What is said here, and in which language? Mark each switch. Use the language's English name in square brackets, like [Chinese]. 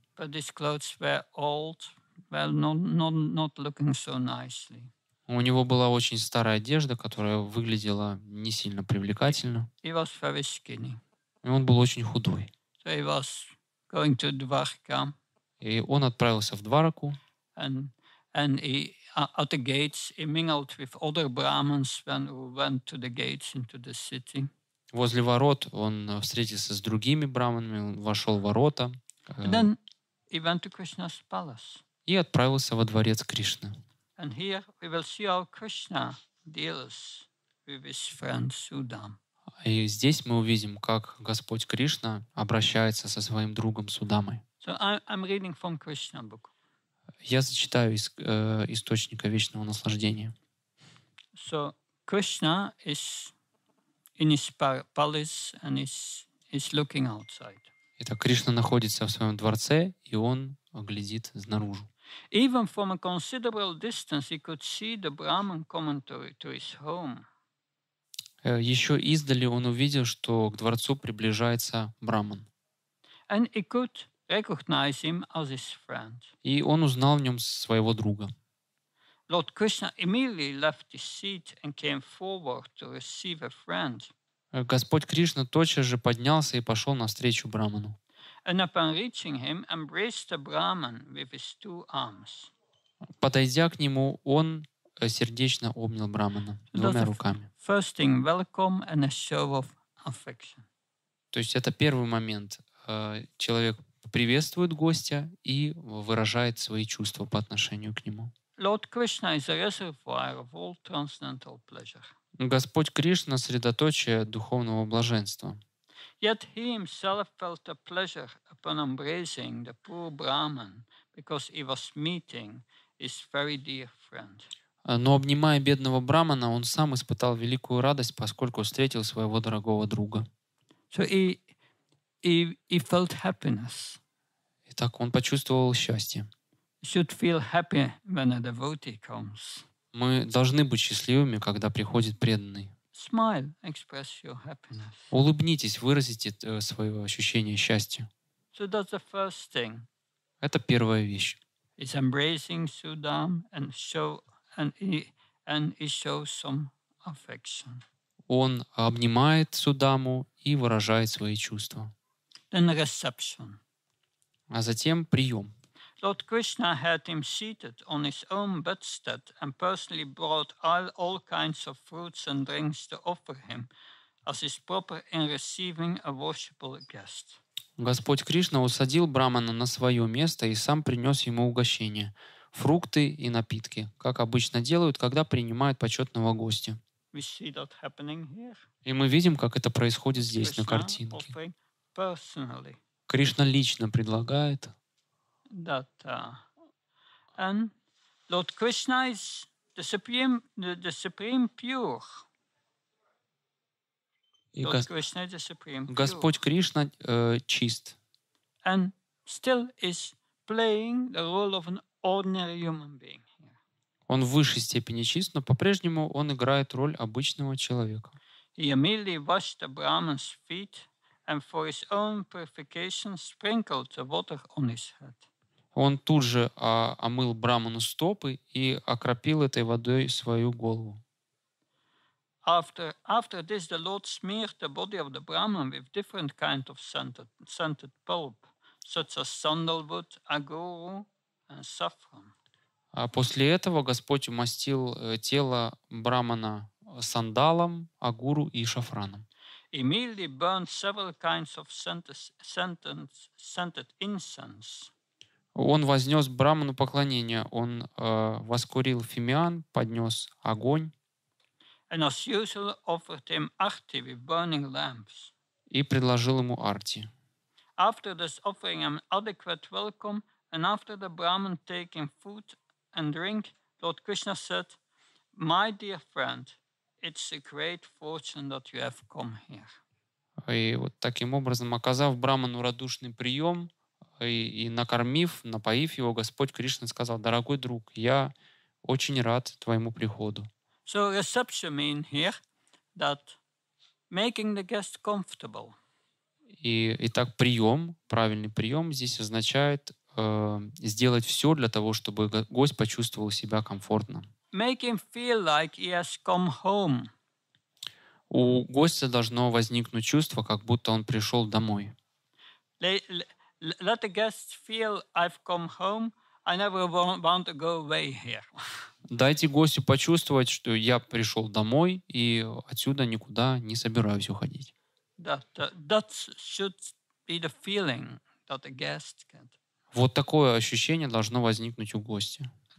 [English] But his clothes were old, well, not looking so nicely. [Russian] У него была очень старая одежда, которая выглядела не сильно привлекательно. [English] He was very skinny. [Russian] И он был очень худой. [English] So he was going to Dwarka. [Russian] И он отправился в Двараку. [English] And he at the gates he mingled with other Brahmins who went to the gates into the city. [Russian] Возле ворот он встретился с другими Брахманами, он вошел в ворота. [English] And then he went to Krishna's palace. [Russian] И отправился во дворец Кришны. [English] And here we will see how Krishna deals with his friend Sudam. [Russian] И здесь мы увидим, как Господь Кришна обращается со своим другом Судамой. [English] So I'm reading from Krishna book. [Russian] Я зачитаю из источника вечного наслаждения. [English] So Krishna is in his palace and he's looking outside. [Russian] Итак, Кришна находится в своем дворце, и он глядит снаружи. [English] Even from a considerable distance he could see the Brahman commentary to his home. [Russian] Еще издали он увидел, что к дворцу приближается Брахман. [English] And he could recognize him as his friend. [Russian] И он узнал в нем своего друга. [English] Lord Krishna immediately left his seat and came forward to receive a friend. [Russian] Господь Кришна тотчас же поднялся и пошел навстречу Брахману. [English] And upon reaching him, embraced the Brahman with his two arms. [Russian] Подойдя к нему, он сердечно обнял брахмана двумя руками. [English] First thing, welcome and a show of affection. [Russian] То есть это первый момент. Человек приветствует гостя и выражает свои чувства по отношению к нему. [English] Lord Krishna is a reservoir of all transcendental pleasure. [Russian] Господь Кришна — средоточие духовного блаженства. [English] Yet he himself felt a pleasure upon embracing the poor Brahman because he was meeting his very dear friend. [Russian] Но обнимая бедного брахмана, он сам испытал великую радость, поскольку встретил своего дорогого друга. [English] So he felt happiness. [Russian] Итак, он почувствовал счастье. [English] Should feel happy when a devotee comes. [Russian] Мы должны быть счастливыми, когда приходит преданный. [English] Smile, express your happiness. [Russian] Улыбнитесь, выразите свое ощущение счастья. [English] So that's the first thing. [Russian] Это первая вещь. [English] It's embracing Sudam and show and he shows some affection. [Russian] Он обнимает Судаму и выражает свои чувства. [English] Then reception. [Russian] А затем прием. [English] Lord Krishna had him seated on his own bedstead and personally brought all kinds of fruits and drinks to offer him as is proper in receiving a worshipful guest. [Russian] Господь Кришна усадил брахмана на свое место и сам принес ему угощение, фрукты и напитки, как обычно делают, когда принимают почетного гостя. [English] We see that happening here. [Russian] И мы видим, как это происходит здесь, на картинке. [English] Offering personally. [Russian] Кришна лично предлагает. [English] That and Lord Krishna is the supreme pure. Krishna is the supreme pure. [Russian] Господь Кришна чист. [English] And still is playing the role of an ordinary human being. [Russian] Он в высшей степени чист, но по-прежнему он играет роль обычного человека. [English] He immediately washed the Brahman's feet and for his own purification sprinkled the water on his head. [Russian] Он тут же омыл брахману стопы и окропил этой водой свою голову. [English] After this, the Lord smeared the body of the Brahman with different kind of scented pulp, such as sandalwood, aguru, and saffron. [Russian] А после этого Господь умастил тело брахмана сандалом, агуру и шафраном. [English] Immediately burned several kinds of scented incense. [Russian] Он вознес брахману поклонение, он воскурил фимиан, поднес огонь и предложил ему арти. [English] After this offering an adequate welcome and after the brahman taking food and drink, Lord Krishna said, "My dear friend, it's a great fortune that you have come here." [Russian] И вот таким образом, оказав брахману радушный прием, и накормив, напоив его, Господь Кришна сказал: «Дорогой друг, я очень рад твоему приходу». [English] So reception means here that making the guest comfortable. [Russian] Итак, прием, правильный прием здесь означает сделать все для того, чтобы гость почувствовал себя комфортно. [English] Make him feel like he has come home. [Russian] У гостя должно возникнуть чувство, как будто он пришел домой. [English] Let the guests feel I've come home. I never want to go away here. [Russian] Дайте гостю почувствовать, что я пришел домой и отсюда никуда не собираюсь уходить. [English] That should be the feeling that the guest get. [Russian] Вот такое ощущение должно возникнуть у гостя.